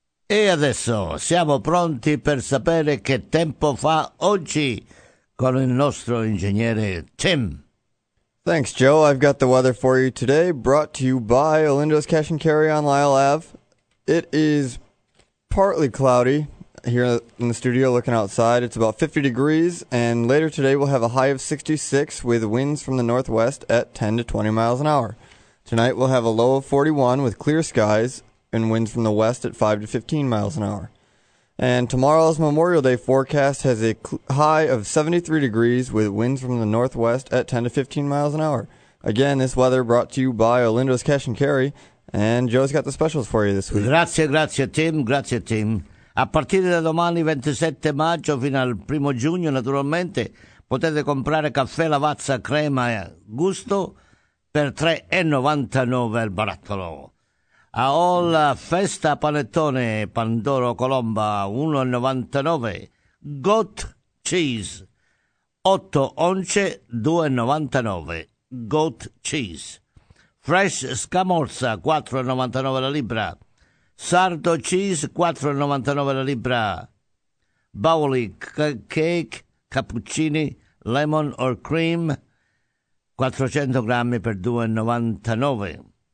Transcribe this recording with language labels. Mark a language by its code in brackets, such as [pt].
[it] E adesso siamo pronti per sapere che tempo fa oggi con il nostro ingegnere Tim. [en] Thanks, Joe. I've got the weather for you today, brought to you by Olindo's Cash and Carry on Lyle Ave. It is partly cloudy here in the studio looking outside. It's about 50 degrees, and later today we'll have a high of 66 with winds from the northwest at 10 to 20 miles an hour. Tonight we'll have a low of 41 with clear skies and winds from the west at 5 to 15 miles an hour. And tomorrow's Memorial Day forecast has a high of 73 degrees with winds from the northwest at 10 to 15 miles an hour. Again, this weather brought to you by Olindo's Cash and Carry, and Joe's got the specials for you this week. [it] Grazie, grazie Tim, grazie Tim. A partire da domani 27 maggio fino al 1 giugno, naturalmente, potete comprare caffè, lavazza, crema e gusto per €3,99 al barattolo. A All Festa Panettone Pandoro Colomba 1,99, Goat Cheese 8 once 2,99, Goat Cheese Fresh Scamorza 4,99 la libra, Sardo Cheese 4,99 la libra, Bowley Cake Cappuccini Lemon or Cream 400 grammi per 2,99.